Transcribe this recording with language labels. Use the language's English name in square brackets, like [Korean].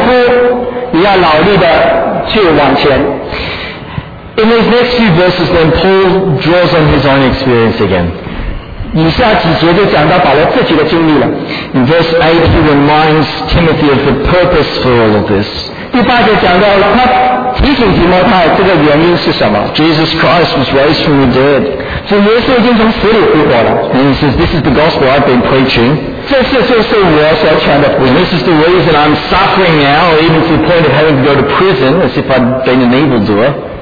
[Chinese] 保罗就说，提摩太，你就好像劳力的农夫，你要劳力的去往前。 [English] In these next few verses, then Paul draws on his own experience again. [Chinese] 以下几节就讲到保罗自己的经历了。 [English] In verse 8, he reminds Timothy of the purpose for all of this. [Chinese] 第八节讲到他。 [English] Jesus Christ was raised from the dead. And he says, this is the gospel I've been preaching. And this is the reason I'm suffering now, even to the point of having to go to prison, as if I'd been an evildoer.